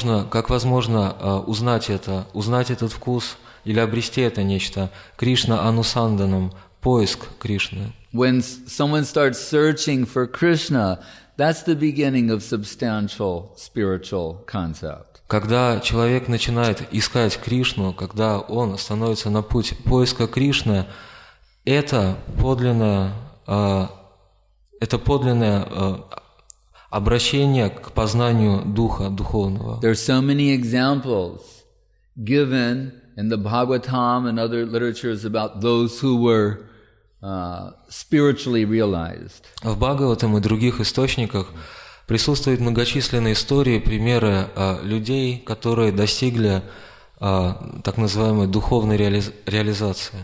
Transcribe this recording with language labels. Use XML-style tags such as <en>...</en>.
<ru>Как возможно узнать этот вкус или обрести это нечто Кришна анусанданом? Поиск Кришны.</ru> <en>When someone starts searching for Krishna, that's the beginning of substantial spiritual concept.</en> <ru>Когда человек начинает искать Кришну, когда он становится на путь поиска Кришны, это подлинное обращение к познанию духа духовного.</ru> <en>There are so many examples given in the Bhagavatam and other literatures about those who were spiritually realized.</en> <ru>В Бхагаватам и других источниках присутствуют многочисленные истории, примеры людей, которые достигли так называемой духовной реализации.</ru>